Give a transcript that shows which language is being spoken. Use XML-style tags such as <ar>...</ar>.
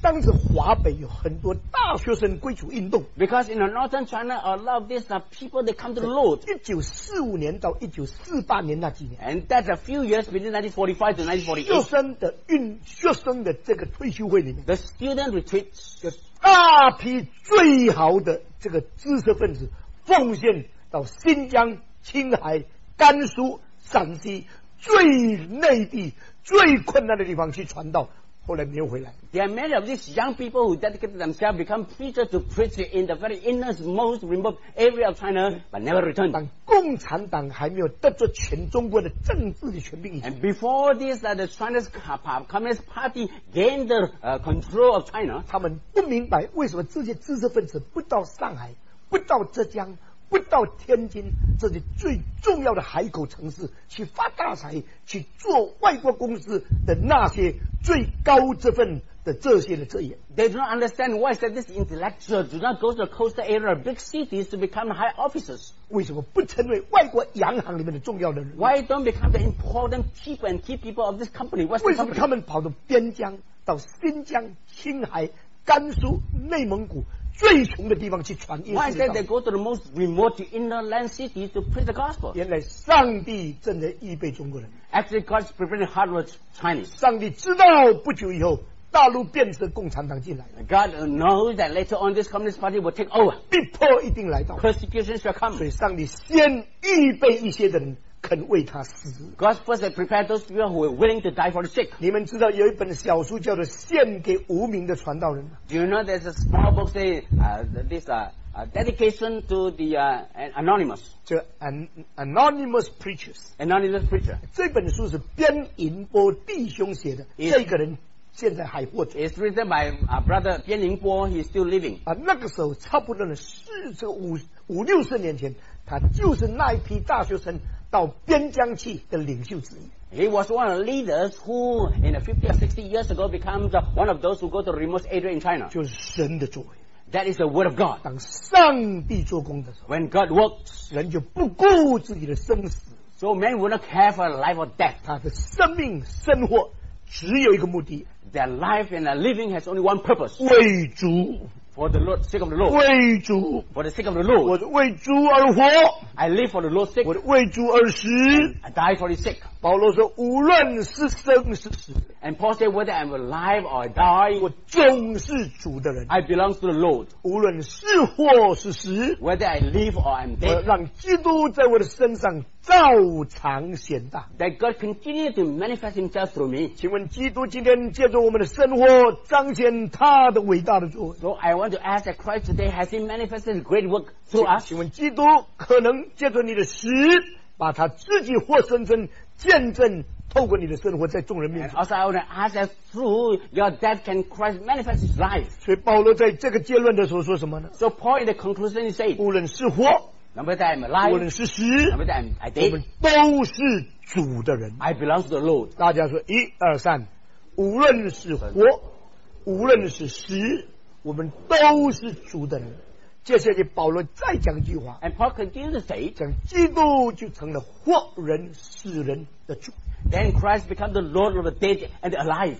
<zh>当时华北有很多大学生归主运动。</zh> <en>Because in the northern China, a lot of these people they come to the Lord.</en> <zh>1945年到1948年那几年。</zh> <en>And that's a few years between 1945 to 1948.</en> <zh>学生的这个退休会里面。</zh> <en>The student retreats.</en> <zh>有大批最好的这个知识分子奉献到新疆、青海、甘肃、陕西最内地最困难的地方去传道。后来没有回来。</zh> <en>There are many of these young people who dedicated themselves become preachers to preach in the very innermost remote area of China, but never returned.</en> <zh>当共产党还没有得着全中国的政治的权柄以前</zh> <en>，and before this, that the Chinese Communist Party gained the control of China,</en> <zh>他们不明白为什么这些知识分子不到上海，不到浙江。不到天津这些最重要的海口城市去发大财去做外国公司的那些最高这份的这些的这些</zh> <en>They do not understand why said this intellectual do not go to the coastal area of big cities to become high officers</en> <zh>为什么不成为外国洋行里面的重要的人</zh> <en>Why don't become the important people and key people of this company</en> <zh>为什么他们跑到边疆到新疆青海甘肃内蒙古最穷的地方去传耶稣的道。</zh> <en>Why then they go to the most remote inland city to preach the gospel?</en> <zh>原来上帝正在预备中国人。</zh> <en>Actually, God's preparing the heart of Chinese.</en> <zh>上帝知道不久以后大陆变成共产党进来了。</zh> <en>God knows that later on this Communist Party will take over.</en> <zh>逼迫一定来到。</zh> <en>Persecution shall come.</en> <zh>所以上帝先预备一些人肯为他死。</zh> <en>God first prepared those people who were willing to die for the sick.</en> <zh>你们知道有一本小书叫做《献给无名的传道人》吗</zh> <en>？Do you know there's a small book saying a dedication to the anonymous? 就 anonymous preachers. Anonymous preacher.</en> <zh>这本书是边银波弟兄写的。这个人。现在还活着。</zh> <en>It's written by a brother, 边宁波, he's still living.</en> <zh>啊，那个时候差不多是这五六十年前，他就是那一批大学生到边疆去的领袖之一。</zh> <en>He was one of the leaders who, in the 50 or 60 years ago, becomes one of those who go to the remote area in China.</en> <zh>就是神的作为。</zh> <en>That is the word of God.</en> <zh>当上帝做工的时候</zh> <en>，When God works,</en> <zh>人就不顾自己的生死。</zh> <en>So men would not care for life or death.</en> <zh>他的生命生活只有一个目的。</zh> <en>Their life and their living has only one purpose.</en> <zh>为主</zh> <en>for the Lord, sake of the Lord.</en> <zh>为主</zh> <en>for the sake of the Lord.</en> <zh>我为主而活</zh> <en>I live for the Lord's sake.</en> <zh>我为主而死</zh> <en>I die for His sake.</en> <zh>保罗说无论是生是死</zh> <en>And Paul said whether I'm alive or I die,</en> <zh>我总是主的人</zh> <en>I belong to the Lord.</en> <zh>无论是或是死</zh> <en>whether I live or I'm dead,</en> <zh>我让基督在我的身上照常显大</zh> <en>That God continue to manifest himself through me.</en> <zh>请问基督今天借着我们的生活彰显他的伟大的作为</zh> <en>So I want to ask that Christ today has he manifested great work through us?</en> <zh>请问基督可能借着你的死把他自己活生生见证透过你的生活在众人面前</zh> <en>And also I want to ask that through your death can Christ manifest his life?</en> <zh>所以保罗在这个结论的时候说什么呢</zh> <en>So Paul in the conclusion he said</en> <zh>无论是活</zh> <en>Number that I'm alive.</en> <zh>无论是死</zh> <en>Number that I'm dead.</en> <zh>我们都是主的人。</zh> <en>I belong to the Lord.</en> <zh>大家说一二三，无论是活，无论是死，我们都是主的人。接下来保罗再讲一句话。</zh> <en>And Paul continues to say,</en> <zh>讲基督就成了活人死人的主。</zh> <en>Then Christ becomes the Lord of the dead and the alive.</en>